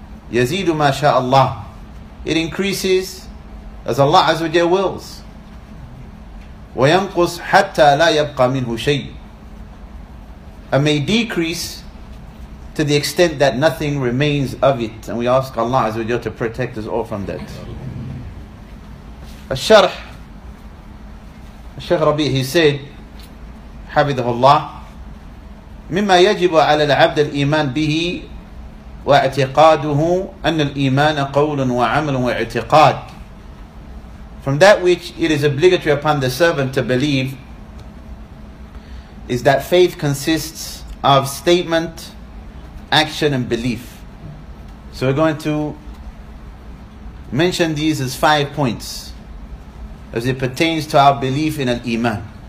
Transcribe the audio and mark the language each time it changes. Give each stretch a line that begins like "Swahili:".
Arabic: يَزِيدُ مَا شَاءَ اللَّهُ,
English: it increases as Allah Azza wa Jalla wills.
Arabic: وَيَنْقُصُ حَتَّى لَا يَبْقَى مِنْهُ شَيْءٍ,
English: and may decrease to the extent that nothing remains of it. And we ask Allah Azza wa Jalla to protect us all from that.
Arabic: Al-Sharh, Al-Sheikh Rabi,
English: he said,
Arabic: حَفِظَهُ اللَّهُ, مِمَّا يَجِبُ عَلَى الْعَبْدِ الْإِيمَانِ بِهِ وَاعْتِقَادُهُ أَنَّ الْإِيمَانَ قَوْلٌ وَعَمَلٌ وَاعْتِقَادٌ.
English: From that which it is obligatory upon the servant to believe is that faith consists of statement, action and belief. So we're going to mention these as five points as it pertains to our belief in al-Iman.